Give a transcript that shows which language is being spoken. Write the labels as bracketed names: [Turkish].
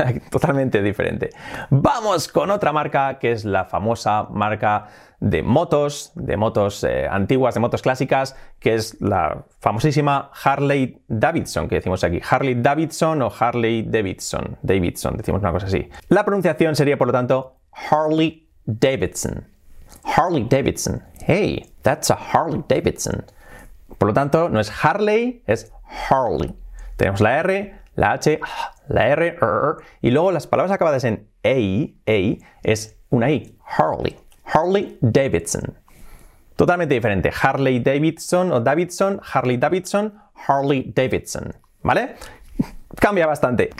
[Spanish] Totalmente diferente. Vamos con otra marca, que es la famosa marca de motos antiguas, de motos clásicas, que es la famosísima Harley Davidson, que decimos aquí. Harley Davidson o Harley Davidson. Davidson, decimos una cosa así. La pronunciación sería, por lo tanto, Harley Davidson. Harley Davidson. [English] Hey, that's a Harley Davidson. [Spanish] Por lo tanto, no es Harley, es Harley. Tenemos la R, la H, la R, y luego las palabras acabadas en EI, es una I. Harley. Harley Davidson. Totalmente diferente. Harley Davidson o Davidson, Harley Davidson, Harley Davidson. ¿Vale? Cambia bastante.